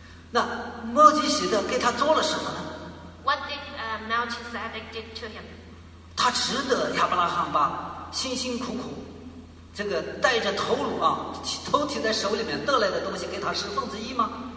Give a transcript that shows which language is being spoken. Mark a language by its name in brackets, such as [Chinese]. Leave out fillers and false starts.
[Chinese] 那墨迹西德给他做了什么呢？ [English] What did Melchizedek did to him? [Chinese] 他值得亚伯拉罕把辛辛苦苦这个带着头颅啊，头提在手里面得来的东西给他十分之一吗？